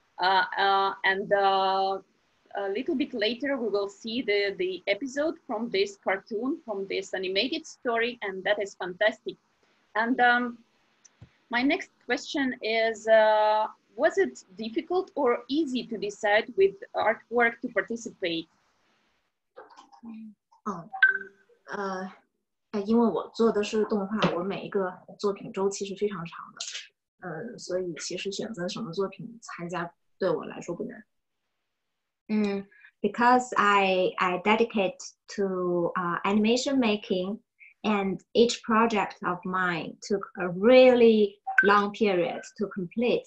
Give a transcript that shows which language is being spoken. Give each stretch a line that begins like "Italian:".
English: And a little bit later, we will see the episode from this cartoon, from this animated story, and that is fantastic. And my next question is, was it difficult or easy to decide with artwork to participate?
Chinese: Oh, 因为我做的是动画，我每一个作品周期是非常长的，所以其实选择什么作品参加对我来说不难。
English: Because I dedicate to animation making, and each project of mine took a really long period to complete.